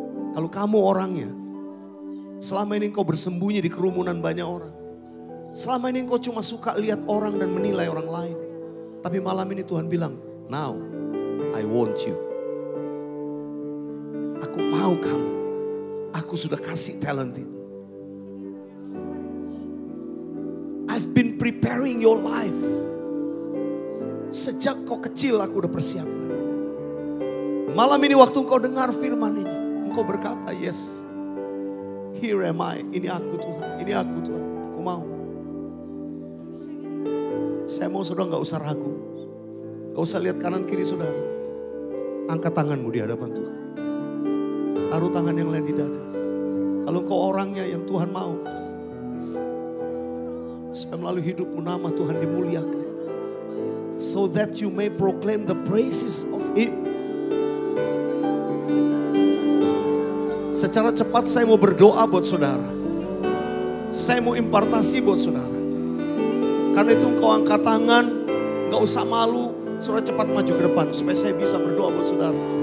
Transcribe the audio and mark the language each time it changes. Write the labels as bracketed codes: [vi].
[id] Kalau kamu orangnya, selama ini engkau bersembunyi di kerumunan banyak orang. Selama ini engkau cuma suka lihat orang dan menilai orang lain. Tapi malam ini Tuhan bilang, [en] now I want you. [id] Aku mau kamu. Aku sudah kasih talent itu. [en] I've been preparing your life. [id] Sejak kau kecil aku udah persiapkan. Malam ini waktu kau dengar firman ini, engkau berkata, [en] yes, here am I, [id] ini aku Tuhan, ini aku Tuhan, aku mau. Saya mau saudara gak usah ragu, gak usah lihat kanan kiri saudara. Angkat tanganmu di hadapan Tuhan. Taruh tangan yang lain di dada. Kalau kau orangnya yang Tuhan mau, supaya melalui hidupmu nama Tuhan dimuliakan. [en] so that you may proclaim the praises of Him. [id] Secara cepat saya mau berdoa buat saudara. Saya mau impartasi buat saudara. Karena itu engkau angkat tangan, enggak usah malu, saudara cepat maju ke depan supaya saya bisa berdoa buat saudara.